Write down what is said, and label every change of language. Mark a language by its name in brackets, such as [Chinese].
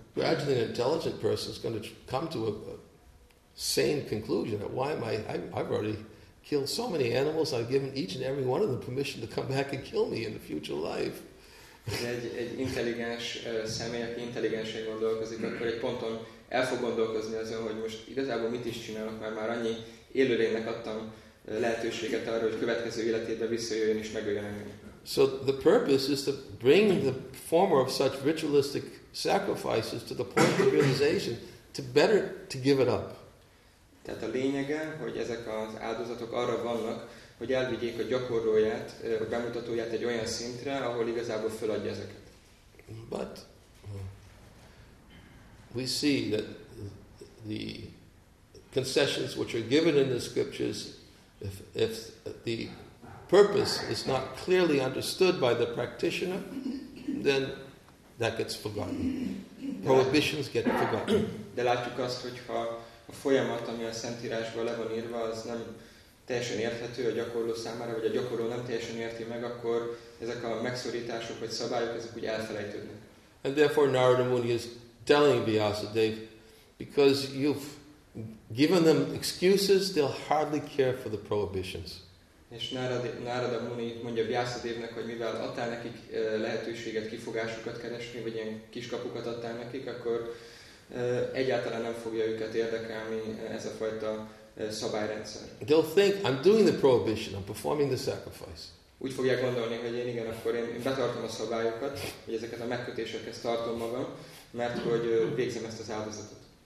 [English] Gradually an intelligent person is going to come to a sane conclusion that why am I've already killed so many animals, I've given each and every one of them permission to come back and kill me in the future life. [Hungarian] Egy intelligens személy, aki intelligensen gondolkozik, akkor egy ponton el fog gondolkozni azon, hogy most igazából mit is csinálok, mert már annyi élőlénynek adtam lehetőséget arra, hogy következő életében visszajöjjön és megöljön engem. [English] So the purpose is to bring the former of such ritualistic sacrifices to the point of realization to give it up. [Hungarian] Tehát a lényege, hogy ezek az áldozatok arra vannak, hogy elvigyék a gyakorlóját, a bemutatóját egy olyan szintre, ahol igazából feladja ezeket. [English] But we see that the concessions which are given in the scriptures, if the purpose is not clearly understood by the practitioner, then that gets forgotten. Prohibitions get forgotten. [Hungarian] De látjuk azt, hogyha a folyamat, ami a Szentírásban le van írva, az nem teljesen érthető a gyakorló számára, vagy a gyakorló nem teljesen érti meg, akkor ezek a megszorítások vagy szabályok, ezek úgy elfelejtődnek. [English] And therefore Narada Muni is telling Vyasadeva, because you've given them excuses, they'll hardly care for the prohibitions. [Hungarian] És Narada Muni mondja Vyasadevnek, hogy mivel adtál nekik lehetőséget, kifogásokat keresni, vagy ilyen kiskapukat adtál nekik, akkor egyáltalán nem fogja őket érdekelni ez a fajta szabályrendszer. [English] They'll think, I'm doing the prohibition, I'm performing the sacrifice. [Hungarian] Úgy fogják gondolni, hogy én igen, akkor én betartom a szabályokat, hogy ezeket a megkötésekhez tartom magam, mert hogy végzem ezt az áldozatot.